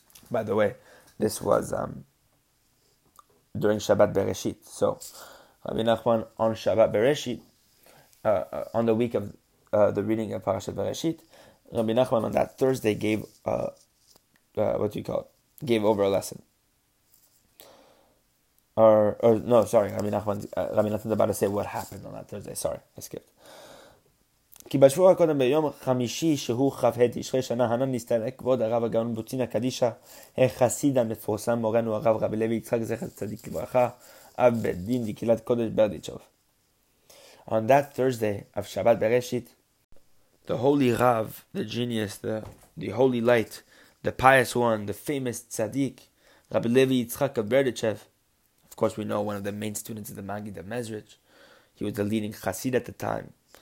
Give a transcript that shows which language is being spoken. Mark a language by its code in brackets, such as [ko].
[en] by the way, this was during Shabbat Bereshit, so, Rabbi Nachman on Shabbat Bereshit, on the week of the reading of Parashat Bereshit, Rabbi Nachman on that Thursday gave gave over a lesson. Rabbi Nathan's about to say what happened on that Thursday. Sorry, I skipped. [he] כי בשבוע הקודם ביום חמישי שהוא חפהת ישרי שנה, הנן נסתלק כבוד הרב הגאון בוצינה קדישה, החסיד המפורסם מורנו הרב רבי לוי יצחק זכר צדיק לברכה, אב בית דין דקהילת קודש ברדיצ'וב. [en] On that Thursday of Shabbat Bereshit, the holy Rav, the genius, the holy light, the pious one, the famous tzadik, Rabbi Levi Yitzchak of Berditchev, of course we know one of the main students of the Magid of Mezrich, he was the leading chassid at the time.